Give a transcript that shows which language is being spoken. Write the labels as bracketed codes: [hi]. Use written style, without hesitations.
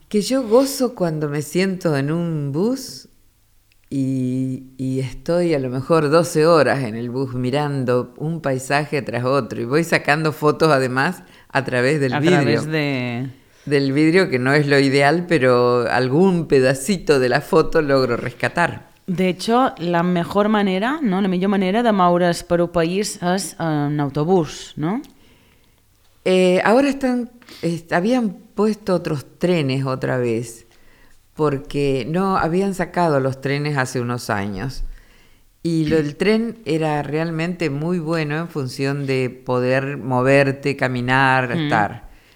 [es] Que yo gozo cuando me siento en un bus y estoy a lo mejor 12 horas en el bus mirando un paisaje tras otro y voy sacando fotos además a través del vidrio. A través de... Del vidrio, que no es lo ideal, pero algún pedacito de la foto logro rescatar. De hecho, la mejor manera, ¿no? [ca] La millor manera de moure's per un país és en autobús, ¿no? [es] Ahora están, habían puesto otros trenes otra vez, porque no habían sacado los trenes hace unos años. Y el tren era realmente muy bueno en función de poder moverte, caminar, estar.